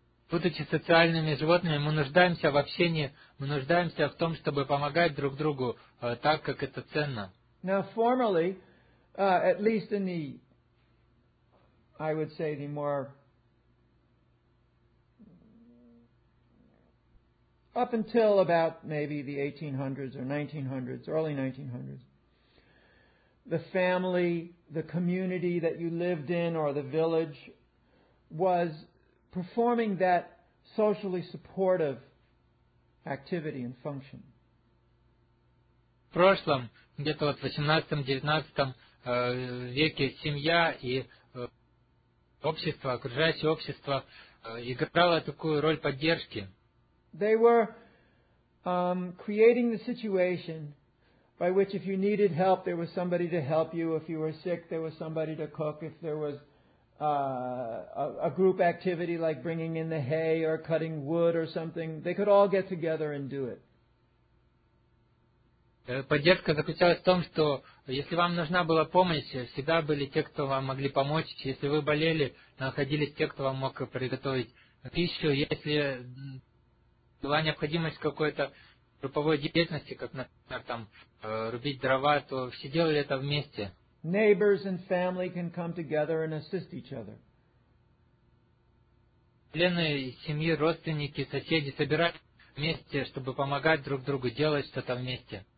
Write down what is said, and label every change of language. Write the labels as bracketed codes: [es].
[ru] Будучи социальными животными, мы нуждаемся в общении, мы нуждаемся в том, чтобы помогать друг другу так, как это ценно. [en] Now, formerly, at least in the, I would say, the more up until about maybe the 1800s or 1900s, early 1900s, the family, the community that you lived in or the village was performing that socially supportive activity and function. [ru] В прошлом, где-то вот в 18-19 веке, семья и общество, окружающее общество играло такую роль поддержки. [en] They were creating the situation by which if you needed help, there was somebody to help you. If you were sick, there was somebody to cook. If there was a group activity like bringing in the hay or cutting wood or something, they could all get together and do it. [ru] Поддержка заключалась в том, что если вам нужна была помощь, всегда были те, кто вам могли помочь. Если вы болели, находились те, кто вам мог приготовить пищу. Если была необходимость какой-то групповой деятельности, как, например, там, рубить дрова, то все делали это вместе. [en] Neighbors and family can come together and assist each other. [ru] Члены семьи, родственники, соседи собирались вместе, чтобы помогать друг другу, делать что-то вместе.